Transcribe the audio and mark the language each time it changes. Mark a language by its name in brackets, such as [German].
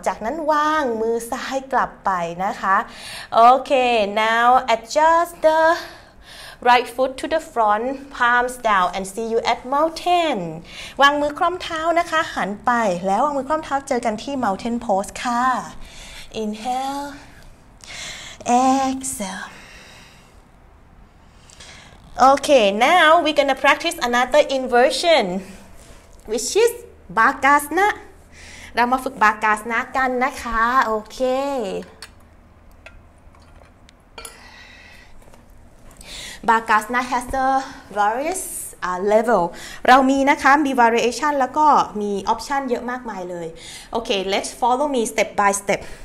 [Thai] จากนั้นวางมือซ้ายกลับไปนะคะ [English] Okay, now adjust the right foot to the front, palms down, and see you at mountain. [Thai] วางมือคล่อมเท้านะคะหันไปแล้ววางมือคล่อมเท้าเจอกันที่ mountain pose ค่ะ [English] Inhale, exhale. Okay, now we're gonna practice another inversion, which is bagasana. [Thai] เรามาฝึก bagasana กันนะคะ Okay. [English] Bagasana has a various level. [Thai] เรามีนะคะมี variation แล้วก็มี option เยอะมากมายเลย [English] Okay, let's follow me step by step.